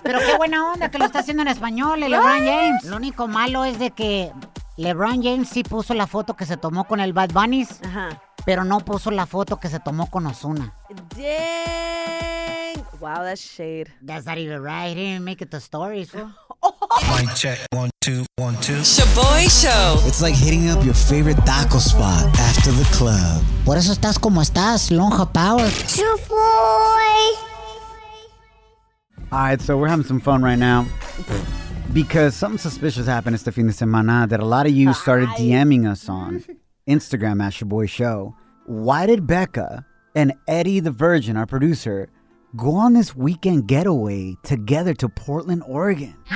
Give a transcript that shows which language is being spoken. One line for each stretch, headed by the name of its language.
Spanish: Pero qué buena onda que lo está haciendo en español, el LeBron James. Lo único malo es de que LeBron James sí puso la foto que se tomó con el Bad Bunny, pero no puso la foto que se tomó con Ozuna.
English: Dang. Wow, that's shade. That's not even right. He didn't make it to stories, fool. Mic check. 1, 2, 1, 2. Shaboy Show. It's like hitting up your favorite taco spot after the club.
Spanish: Por eso estás como estás, Lonja Power.
English: Shaboy. All right, so we're having some fun right now. Because something suspicious happened
Spanish: este fin de semana
English: that a lot of you started DMing us on Instagram at Shaboy Show. Why did Becca and Eddie the Virgin, our producer, go on this weekend getaway together to Portland, Oregon?